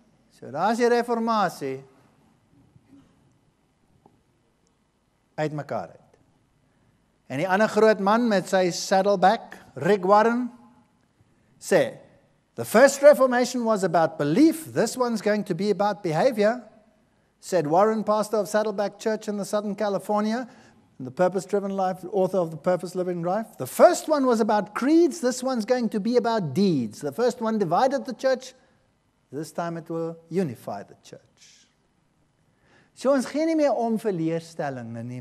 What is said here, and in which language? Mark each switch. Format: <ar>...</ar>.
<af>So daar is die reformatie, uit mekaar uit. En die ander groot man met sy saddleback, Rick Warren, sê,</af> <en>the first reformation was about belief, this one's going to be about behavior, said Warren, pastor of Saddleback Church in the Southern California, the purpose-driven life, author of The Purpose-Living Life. The first one was about creeds, this one's going to be about deeds. The first one divided the church, this time it will unify the church.</en> <af>So ons gee nie meer om vir leerstellinge nie.</af>